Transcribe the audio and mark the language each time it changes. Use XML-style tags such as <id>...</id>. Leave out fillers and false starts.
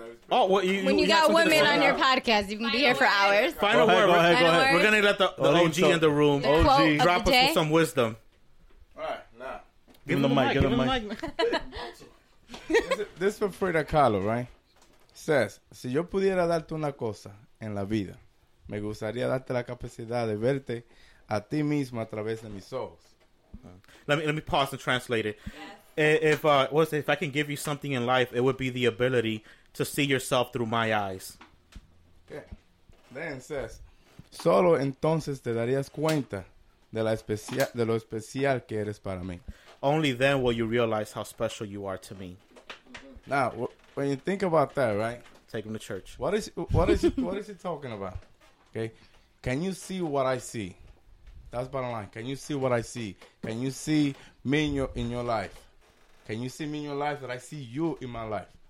<en>Oh, well, you, when you got women on your podcast, you can be here for hours. Final word. Go ahead. We're going to let the OG in the room, the OG, drop us with some wisdom. All right, now. Give him the mic. This is for Frida Kahlo, right? Says,</en> <es>si yo pudiera darte una cosa en la vida, me gustaría darte la capacidad de verte a ti mismo a través de mis ojos.</es> <en>Let me pause and translate it. Yes. If I can give you something in life, it would be the ability to see yourself through my eyes. Okay. Then says,</en> <es>solo entonces te darías cuenta de lo especial que eres para mí.</es> <en>Only then will you realize how special you are to me. Now, when you think about that, right? Take him to church. What is he talking about? Okay. Can you see what I see? That's bottom line. Can you see what I see? Can you see me in your life? Can you see me in your life that I see you in my life?</en>